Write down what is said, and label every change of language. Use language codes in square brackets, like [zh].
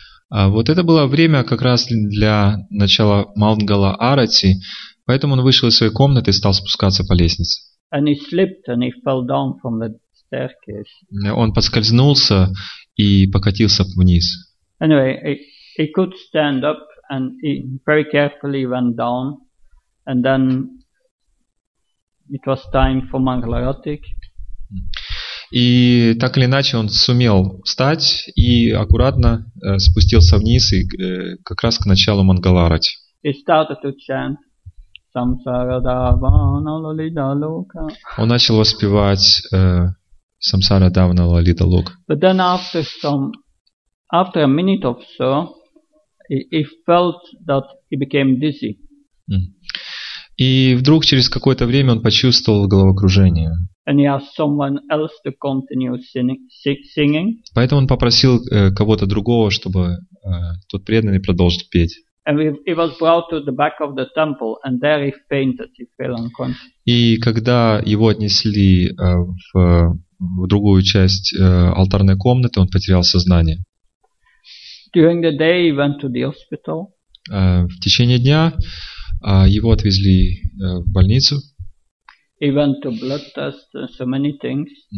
[ru] Вот это было время как раз для начала Мангала Арати, поэтому он вышел из своей комнаты и стал спускаться по лестнице. [en] And he slipped and he fell down from the staircase. [ru] Он поскользнулся и покатился вниз. [en] Anyway, he could stand up and he very carefully went down and then it was time for Mangalaratik. [ru] И так или иначе он сумел встать и аккуратно спустился вниз и как раз к началу Мангаларати. [en] He started to chant Samsara Dhavana Lalita Loka. [ru] Он начал воспевать Samsara Dhavana Lalita Loka. [en] But then after a minute or so, he felt that he became dizzy. [ru] И вдруг через какое-то время он почувствовал головокружение. [en] And he asked someone else to continue singing. [ru] Поэтому он попросил кого-то другого, чтобы тот преданный продолжил петь. [en] And he was brought to the back of the temple, and there he fainted, he fell unconscious. [ru] И когда его отнесли в другую часть алтарной комнаты, он потерял сознание. [en] During the day he went to the hospital. [ru] В течение дня его отвезли в больницу. [en] He went to blood test and so many things.